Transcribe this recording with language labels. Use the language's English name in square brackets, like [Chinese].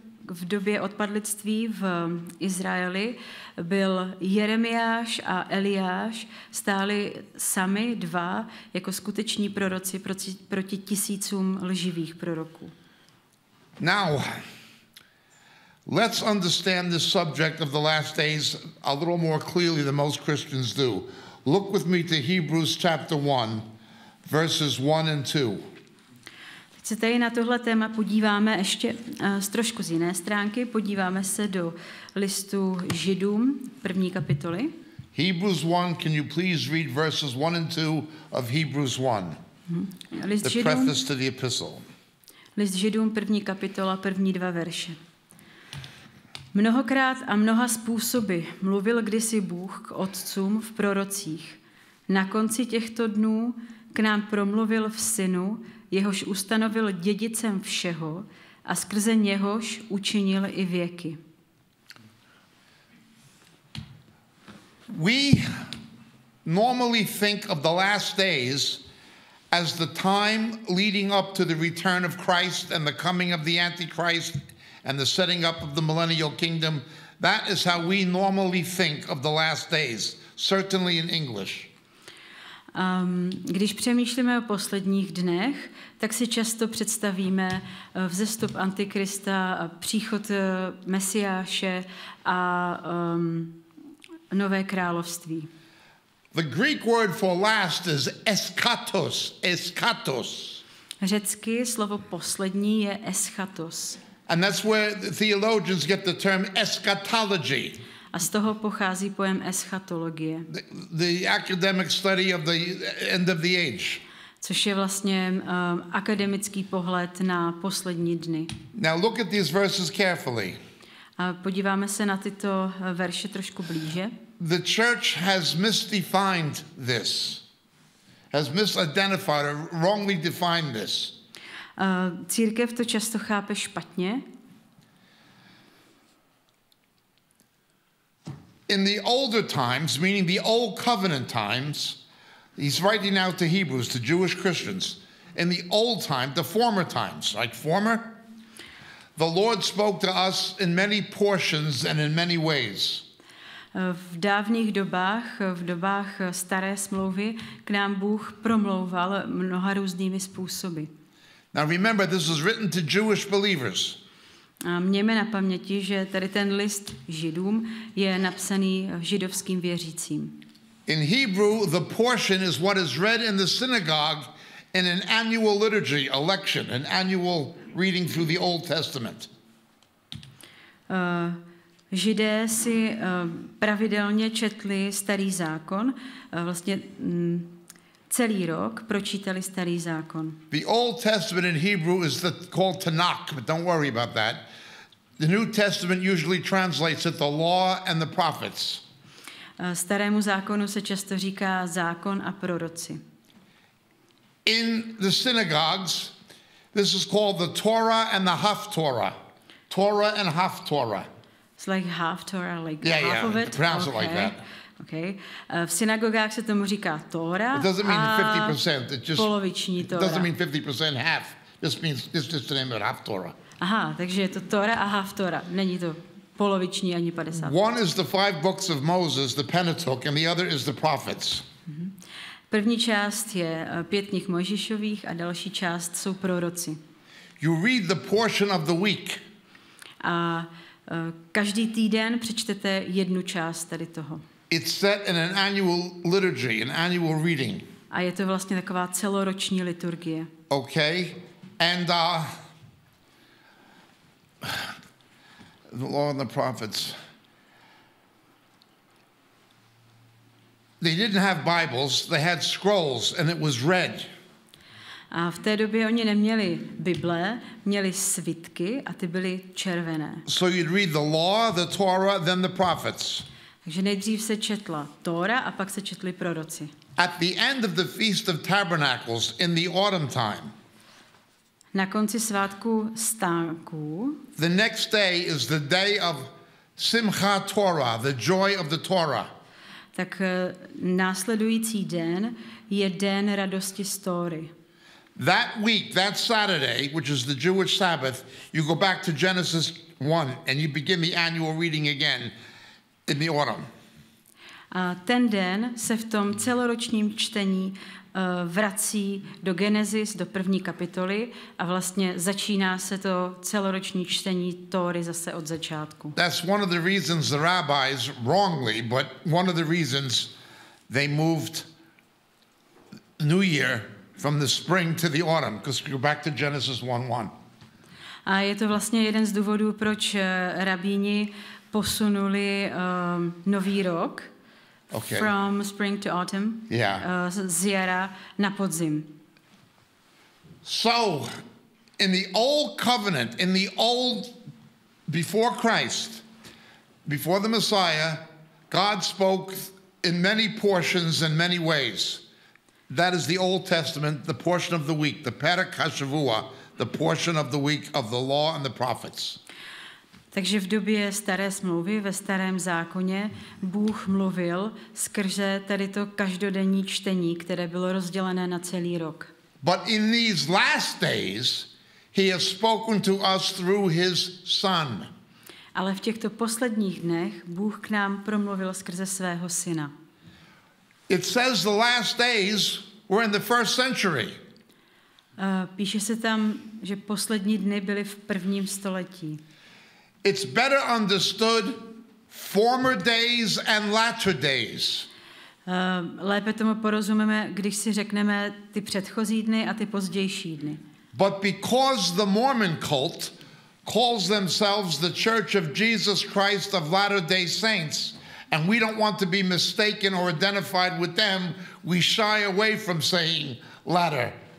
[Czech] V době odpadlictví v Izraeli byl Jeremiáš a Eliáš stáli sami dva jako skuteční proroci proti tisícům lživých proroků. [English] Now, let's understand the subject of the last days a little more clearly than most Christians do. Look with me to Hebrews chapter 1, verses 1 and 2. [Czech] Se tady na tohle téma podíváme ještě z trošku z jiné stránky. Podíváme se do listu Židům, první kapitoly. [English] Hebrews 1, can you please read verses 1 and 2 of Hebrews 1? [Czech] List [English] the [Czech] Židům, [English] preface to the epistle. [Czech] List Židům, první kapitola, první dva verše. Mnohokrát a mnoha způsoby mluvil kdysi Bůh k otcům v prorocích. Na konci těchto dnů k nám promluvil v Synu, jehož ustanovil dědicem všeho a skrze něhož učinil i věky. [English] We normally think of the last days as the time leading up to the return of Christ and the coming of the Antichrist and the setting up of the millennial kingdom. That is how we normally think of the last days, certainly in English. [Czech] Když přemýšlíme o posledních dnech, tak si často představíme vzestup Antikrista, příchod Mesiáše a nové království. [English] The Greek word for last is eschatos, eschatos. [Czech] Řecky slovo poslední je eschatos. [English] And that's where the theologians get the term eschatology. [Czech] A z toho pochází pojem eschatologie. [English] The academic study of the end of the age. [Czech] Což je vlastně akademický pohled na poslední dny. [English] Now look at these verses carefully. [Czech] A podíváme se na tyto verše trošku blíže. [English] The church has misdefined this, has misidentified or wrongly defined this. [Czech] Církev to často chápe špatně. [English] In the older times, meaning the old covenant times, he's writing now to Hebrews, to Jewish Christians, in the old time, the former times, like former, the Lord spoke to us in many portions and in many ways. [Czech] V dávných dobách, v dobách staré smlouvy, k nám Bůh promlouval mnoha různými způsoby. [English] Now remember, this was written to Jewish believers. [Czech] A mějme na paměti, že tady ten list Židům je napsaný židovským věřícím. [English] In Hebrew, the portion is what is read in the synagogue in an annual liturgy, a lection, an annual reading through the Old Testament. [Czech] Židé si pravidelně četli starý zákon, vlastně celý rok pročítali starý zákon. [English] The Old Testament in Hebrew is called Tanakh, but don't worry about that. The New Testament usually translates it the law and the prophets. [Czech] Starému zákonu se často říká zákon a proroci. [English] In the synagogues, this is called the Torah and the Haftorah. Torah and Haftorah. It's like Haftorah, like yeah, half yeah, of it. Yeah, pronounce okay. It like that. Okay. [Czech] V synagogách se tomu říká Tora. [English] It doesn't mean 50%. It just [Czech] poloviční Tora. [English] It doesn't mean 50% half. This means it's just the name of Haftorah. [Czech] Aha, takže je to Tora a Haftora. Není to poloviční ani 50. [English] One is the five books of Moses, the Pentateuch, and the other is the prophets. [Czech] První část je pět knih Mojžíšových a další část jsou proroci. [English] You read the portion of the week. [Czech] A každý týden přečtete jednu část tady toho. [English] It's set in an annual liturgy, an annual reading. [Czech] A je to vlastně taková celoroční liturgie. [English] Okay. And the law and the prophets. They didn't have Bibles, they had scrolls, and it was read. [Czech] A v té době oni neměli Bible, měli svitky a ty byly červené. [English] So you'd read the law, the Torah, then the prophets. [Czech] Takže nejdřív se četla Tora a pak se četli proroci. [English] At the end of the Feast of Tabernacles in the autumn time. [Czech] Na konci svátku stánků. [English] The next day is the day of Simcha Torah, the joy of the Torah. [Czech] Tak následující den je den radosti z Tóry. [English] That week, that Saturday, which is the Jewish Sabbath, you go back to Genesis 1 and you begin the annual reading again in the autumn. [Czech] A ten den se v tom celoročním čtení vrací do Genesis, do první kapitoly a vlastně začíná se to celoroční čtení Tóry zase od začátku. [English] That's one of the reasons the rabbis wrongly, but one of the reasons they moved New Year from the spring to the autumn, because go back to Genesis 1:1. [Czech] A je to vlastně jeden z důvodů, proč rabíni posunuli nový rok. [English] Okay. From spring to autumn. Yeah. [Czech] Z jara na podzim. [English] So, in the old covenant, in the old, before Christ, before the Messiah, God spoke in many portions and many ways. That is the Old Testament, the portion of the week, the Perek HaShavua, the portion of the week of the law and the prophets. [Czech] Takže v době staré smlouvy ve starém zákoně Bůh mluvil skrze tady to každodenní čtení, které bylo rozdělené na celý rok. [English] But in these last days he has spoken to us through his son. [Czech] Ale v těchto posledních dnech Bůh k nám promluvil skrze svého syna. [English] It says the last days were in the first century. [Czech] Píše se tam, že poslední dny byly v prvním století. [English] It's better understood former days and latter days. [Czech] Lépe tomu porozumíme, když si řekneme ty předchozí dny a ty pozdější dny. [English] But because the Mormon cult calls themselves the Church of Jesus Christ of Latter-day Saints, and we don't want to be mistaken or identified with them, we shy away from saying latter.